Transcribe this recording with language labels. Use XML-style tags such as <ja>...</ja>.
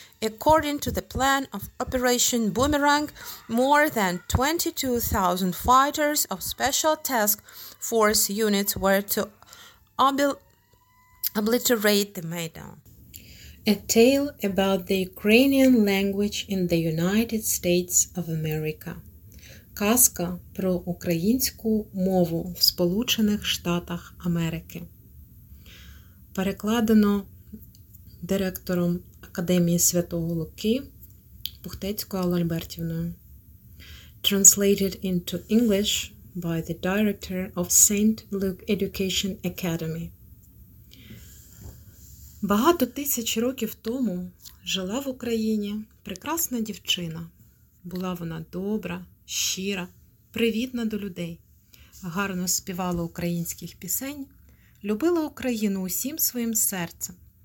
<en>According to the plan of Operation Boomerang, more than 22,000 fighters of Special Task Force units were to obliterate the Maidan. A tale about the Ukrainian language in the United States of America.</en> <uk>Казка про українську мову в Сполучених Штатах Америки. Перекладено директором Академії Святого Луки Пухтецькою Аллою Альбертівною.</uk> <en>Translated into English by the director of St. Luke Education Academy.</en> <uk>Багато тисяч років тому жила в Україні прекрасна дівчина. Була вона добра, щира, привітна до людей, гарно співала українських пісень, любила Україну усім своїм серцем.</uk>